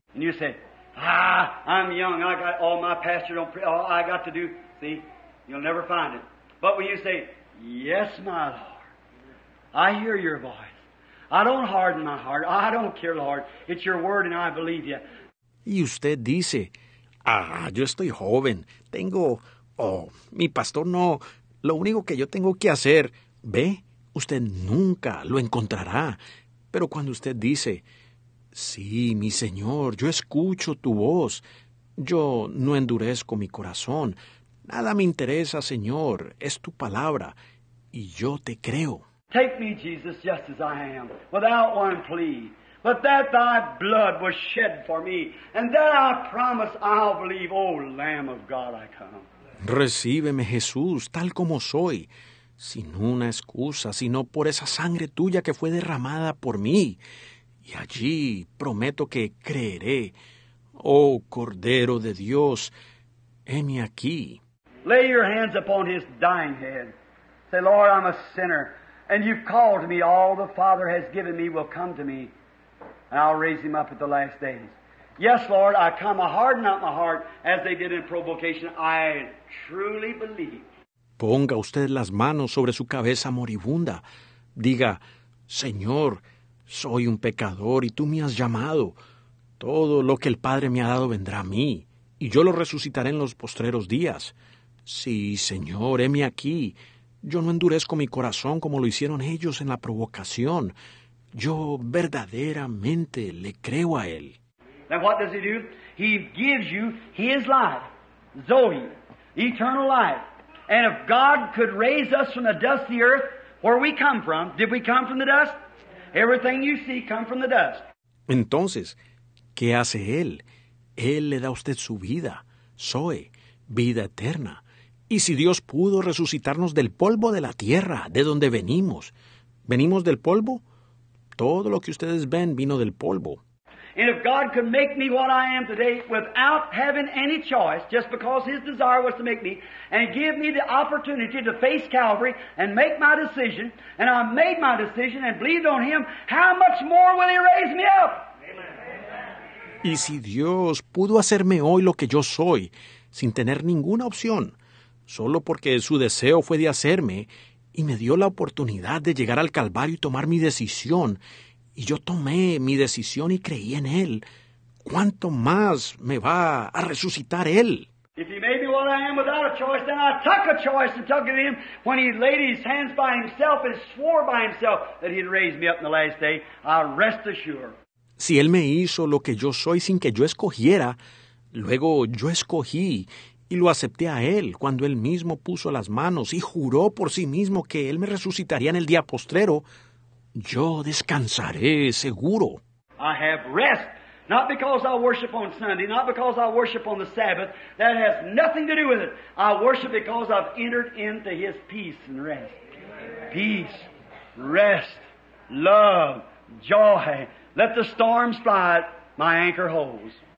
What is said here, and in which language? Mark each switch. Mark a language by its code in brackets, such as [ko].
[en] And you say, ah, I'm young, I got all my pastor don't pray, all I got to do, see, you'll never find it. But when you say, yes, my Lord, I hear your voice. I don't harden my heart, I don't care, Lord, it's your word and I believe you. [es] Y usted dice, ah, yo estoy joven, tengo, oh, mi pastor no, lo único que yo tengo que hacer, ve, usted nunca lo encontrará. Pero cuando usted dice, sí, mi Señor, yo escucho tu voz, yo no endurezco mi corazón, nada me interesa, Señor, es tu palabra, y yo te creo. [en] Take me, Jesus, just as I am, without one plea. But that thy blood was shed for me, and that I promise I'll believe, O Lamb of God, I come. [es] Recíbeme, Jesús, tal como soy, sin una excusa, sino por esa sangre tuya que fue derramada por mí. Y allí prometo que creeré. Oh, Cordero de Dios, heme aquí. [en] Lay your hands upon his dying head. Say, Lord, I'm a sinner, and you've called me. All the Father has given me will come to me. And I'll raise him up at the last days. Yes, Lord, I come, I harden not my heart, as they did in provocation, I truly believe. [es] Ponga usted las manos sobre su cabeza moribunda. Diga, Señor, soy un pecador y tú me has llamado. Todo lo que el Padre me ha dado vendrá a mí, y yo lo resucitaré en los postreros días. Sí, Señor, heme aquí. Yo no endurezco mi corazón como lo hicieron ellos en la provocación. Yo verdaderamente le creo a él. [en] Now what does he do? He gives you his life, Zoe, eternal life. And if God could raise us from the dust of the earth, where we come from, did we come from the dust? Everything you see come from the dust. [es] Entonces, ¿qué hace él? Él le da a usted su vida, Zoe, vida eterna. Y si Dios pudo resucitarnos del polvo de la tierra, de donde venimos, ¿venimos del polvo? Todo lo que ustedes ven vino del polvo. [en] And if God could make me what I am today without having any choice, just because his desire was to make me, and give me the opportunity to face Calvary and make my decision, and I made my decision and believed on him, how much more will he raise me up? [es] Y si Dios pudo hacerme hoy lo que yo soy, sin tener ninguna opción, solo porque su deseo fue de hacerme, y me dio la oportunidad de llegar al Calvario y tomar mi decisión, y yo tomé mi decisión y creí en él, ¿cuánto más me va a resucitar él? [en] If he made me what I am without a choice, then I took a choice and took it in when he laid his hands by himself and swore by himself that he'd raise me up in the last day, I rest assured. [es] Si él me hizo lo que yo soy sin que yo escogiera, luego yo escogí y lo acepté a él cuando él mismo puso las manos y juró por sí mismo que él me resucitaría en el día postrero, yo descansaré seguro. [en] I have rest, not because I worship on Sunday, not because I worship on the Sabbath. That has nothing to do with it. I worship because I've entered into his peace and rest. Peace, rest, love, joy. Let the storms fly, my anchor holds.